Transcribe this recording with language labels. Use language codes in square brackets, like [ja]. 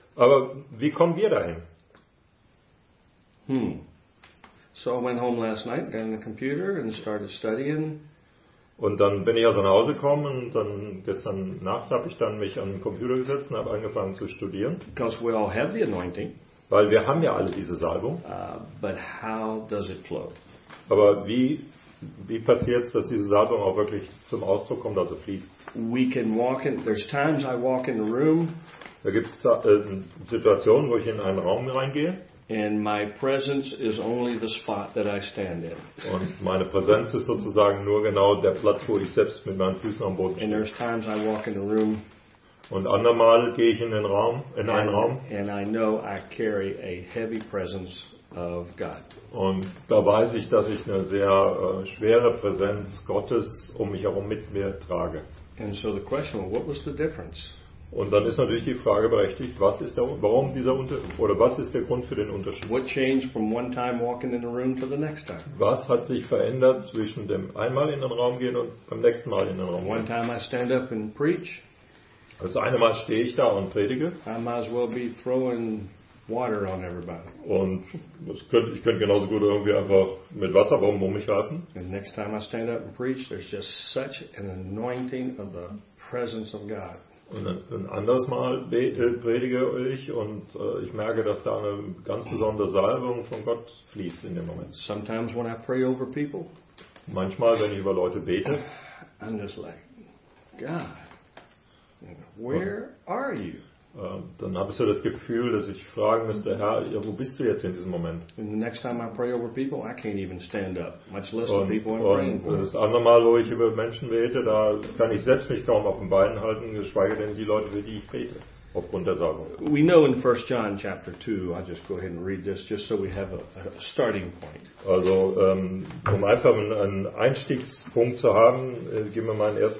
[de] Aber wie kommen wir dahin? [en] So I went home last night, got on the computer and started studying. [de] Und dann bin ich also nach Hause gekommen und dann gestern Nacht habe ich dann mich an den Computer gesetzt und habe angefangen zu studieren. [en] Because we all have the anointing. [de] Weil wir haben ja alle diese Salbung. [en] But how does it flow? [de] Aber wie passiert es, dass diese Salbung auch wirklich zum Ausdruck kommt, also fließt? [en] We can walk in, there's times I walk in the room. [de] Da gibt es Situationen, wo ich in einen Raum reingehe. [en] And my presence is only the spot that I stand in. [de] Und meine Präsenz ist sozusagen nur genau der Platz, wo ich selbst mit meinen Füßen am Boden stehe. [en] And there's times I walk in the room. [de] Und andermal gehe ich in den Raum, in einen Raum. [en] And I know I carry a heavy presence of God. [de] Und da weiß ich, dass ich eine sehr schwere Präsenz Gottes um mich herum mit mir trage. [en] And so the question, what was the difference? [de] Und dann ist natürlich die Frage berechtigt, was ist der Grund für den Unterschied? [en] What changed from one time walking in the room to the next time? [de] Was hat sich verändert zwischen dem einmal in den Raum gehen und beim nächsten Mal in den Raum gehen? [en] One time I stand up and preach. [de] Also eine Mal stehe ich da und predige. [en] I might as well be throwing water on everybody. [de] Und ich könnte genauso gut irgendwie einfach mit Wasserbomben um mich werfen. [en] And next time I stand up and preach, there's just such an anointing of the presence of God. [de] Und ein anderes Mal predige ich und ich merke, dass da eine ganz besondere Salbung von Gott fließt in dem Moment. [en] Sometimes when I pray over people, [de] manchmal, wenn ich über Leute bete, [en] I'm just like, God, where are you? [de] Dann habe ich so das Gefühl, dass ich fragen müsste, Herr, ja, wo bist du jetzt in diesem Moment? [en] And the next time I pray over people, I can't even stand up, much less the people I'm praying for. [de] Und das andere Mal, wo ich über Menschen bete, da kann ich selbst mich kaum auf den Beinen halten, geschweige denn die Leute, für die ich bete, aufgrund der Salbung. [en] We know in 1 John chapter 2, I'll just go ahead and read this, just so we have a starting point. [de] Also, um einfach einen Einstiegspunkt zu haben, geben wir mal in 1.